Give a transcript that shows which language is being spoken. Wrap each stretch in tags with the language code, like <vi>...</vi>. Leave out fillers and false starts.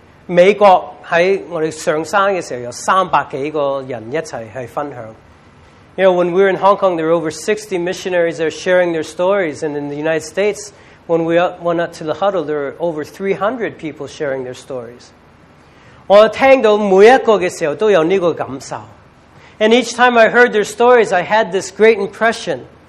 <zh>美国在我们上山的时候有300多个人一起去分享。</zh> <en>You know, when we were in Hong Kong, there were over 60 missionaries there sharing their stories. And in the United States, when we went up to the huddle, there were over 300 people sharing their stories.</en> <zh>我听到每一个的时候都有这个感受。</zh> <en>And each time I heard their stories, I had this great impression.</en>